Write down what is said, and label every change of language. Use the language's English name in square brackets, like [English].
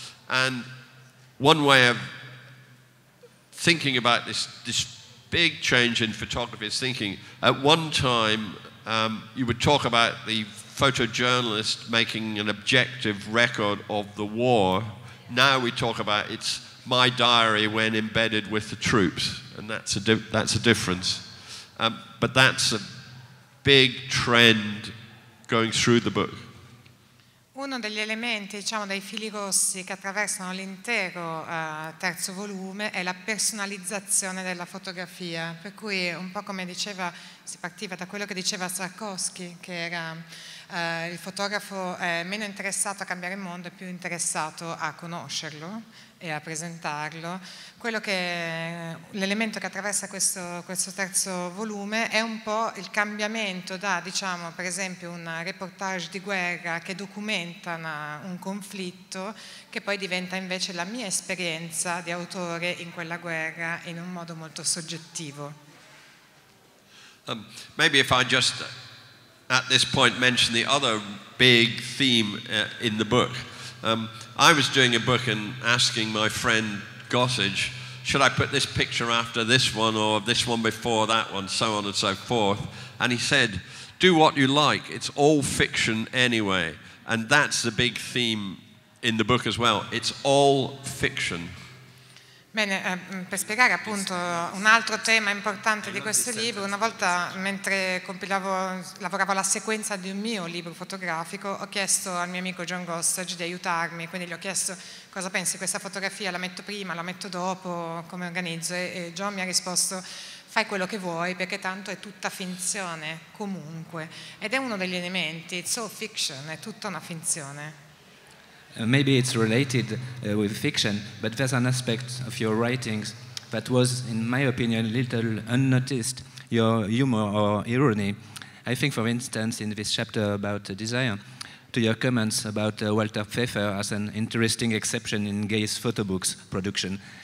[English] And one way of thinking about this big change in photography is thinking, at one time you would talk about the photojournalist making an objective record of the war. Now we talk about it's my diary when embedded with the troops, and that's a difference. But that's a big trend going through the book. [Italian] Uno degli elementi, diciamo, dei fili rossi che attraversano l'intero terzo volume è la personalizzazione della fotografia, per cui un po' come diceva, si partiva da quello che diceva Sarkowski, che era il fotografo meno interessato a cambiare il mondo e più interessato a conoscerlo e a presentarlo. Quello che, l'elemento che attraversa questo terzo volume è un po' il cambiamento da, diciamo, per esempio un reportage di guerra che documenta un conflitto, che poi diventa invece la mia esperienza di autore in quella guerra in un modo molto soggettivo. [English] Maybe if I just at this point mention the other big theme in the book. I was doing a book and asking my friend Gossage, should I put this picture after this one or this one before that one, so on and so forth. And he said, do what you like, it's all fiction anyway. And that's the big theme in the book as well. It's all fiction. [Italian] Bene, per spiegare appunto un altro tema importante di questo libro, una volta mentre lavoravo alla sequenza di un mio libro fotografico, ho chiesto al mio amico John Gossage di aiutarmi, quindi gli ho chiesto cosa pensi di questa fotografia, la metto prima, la metto dopo, come organizzo, e John mi ha risposto, fai quello che vuoi perché tanto è tutta finzione comunque, ed è uno degli elementi, [English] it's all fiction, [Italian] è tutta una finzione. [English] Maybe it's related with fiction, but there's an aspect of your writings that was, in my opinion, a little unnoticed, your humor or irony. I think, for instance, in this chapter about desire, to your comments about Walter Pfeffer as an interesting exception in Gay's photo books production.